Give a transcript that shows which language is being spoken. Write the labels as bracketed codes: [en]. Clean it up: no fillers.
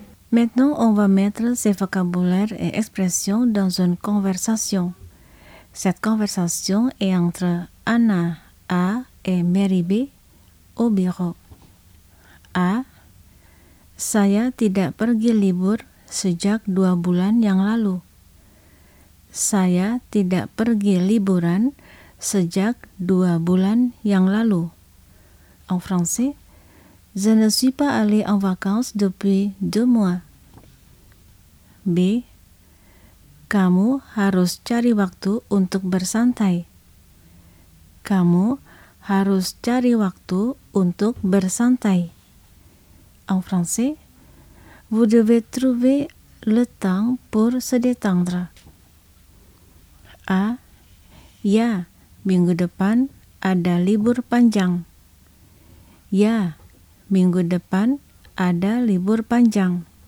[fr] Maintenant, on va mettre ces vocabulaires et expressions dans une conversation. Cette conversation est entre Anna A et Mary B au bureau. A. [id] Saya tidak pergi libur sejak 2 bulan yang lalu. Saya tidak pergi liburan sejak 2 bulan yang lalu. [fr] En français, je ne suis pas allé en vacances depuis 2 mois. B. [id] Kamu harus cari waktu untuk bersantai. Kamu harus cari waktu untuk bersantai. [fr] En français, vous devez trouver le temps pour se détendre. A. [id] Ya, minggu depan ada libur panjang. Ya, minggu depan ada libur panjang.